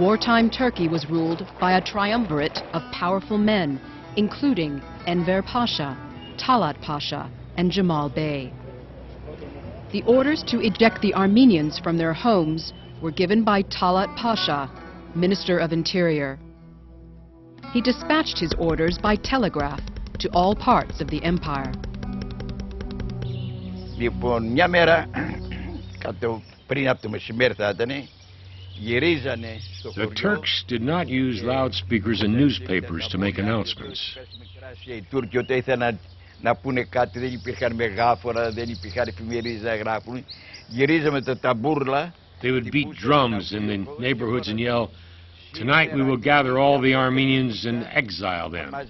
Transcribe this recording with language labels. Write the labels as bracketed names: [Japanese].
[English] Wartime Turkey was ruled by a triumvirate of powerful men, including Enver Pasha, Talat Pasha, and Jamal Bey. The orders to eject the Armenians from their homes were given by Talat Pasha, Minister of Interior. He dispatched his orders by telegraph to all parts of the empire. [Greek] Λοιπόν, μια μέρα, κατ' πριν από το μεσημέρι θα ήταν, γυρίζανε στο χωριό. [English] The Turks did not use loudspeakers and newspapers to make announcements. [Greek] Οι Τούρκοι όταν ήθελαν να πούνε κάτι, δεν υπήρχαν μεγάφωνα, δεν υπήρχαν εφημερίδες να γράφουν. Γυρίζαμε τα ταμπούρλα. [English] They would beat drums in the neighborhoods and yell, "Tonight we will gather all the Armenians and exile them."